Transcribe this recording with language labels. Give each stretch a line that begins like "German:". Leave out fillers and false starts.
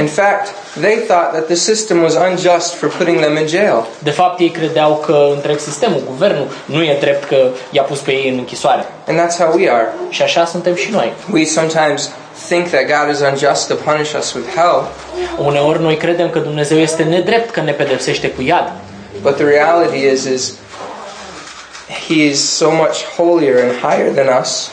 English: In fact, they thought that the system was unjust for putting them in jail.
Romanian: De fapt, ei credeau că întreg sistemul, guvernul, nu e drept că i-a pus pe ei în închisoare.
English: And that's how we are.
Romanian: Și așa suntem și noi.
English: We sometimes think that God is unjust to punish us with hell.
Romanian: Uneori noi credem că Dumnezeu este nedrept că ne pedepsește cu iad.
English: But the reality is he is so much holier and higher than us.